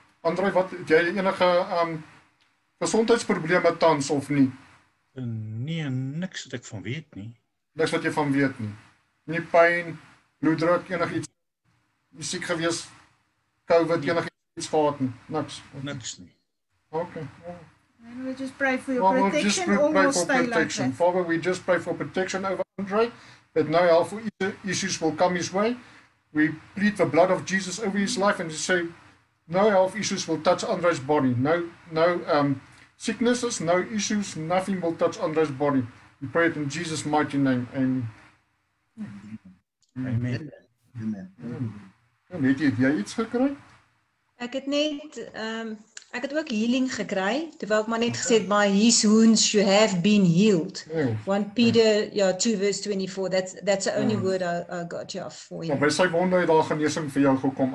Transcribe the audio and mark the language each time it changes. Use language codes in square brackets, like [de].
[af] Andre, wat jy enige gesondheidsprobleme tans of nie? Nee, niks wat ek van weet nie. Niks wat jy van weet nie. Nie pyn, bloeddruk, enigiets. Nie siek gewees, COVID, nee. Enigiets gehad nie. Niks. Okay. Niks nie. Okay. [en] And we just pray for your protection. We'll stay protection. Like that. Father, we just pray for protection over Andre, that no health issues will come his way. We plead the blood of Jesus over his life and say, no health issues will touch Andre's body. No sicknesses, no issues, nothing will touch Andre's body. We pray it in Jesus' mighty name. Amen. Amen. Amen. Amen. Amen. Amen. Amen. Amen. Amen. Amen. Amen. [af] Ek het ook healing gekry, terwyl ek maar net gesê het, [en] my his wounds you have been healed. Yeah. 1 Peter 2 verse 24, that's the only word I got you off for. [af] Maar by sy wonde het daar genesing vir jou gekom.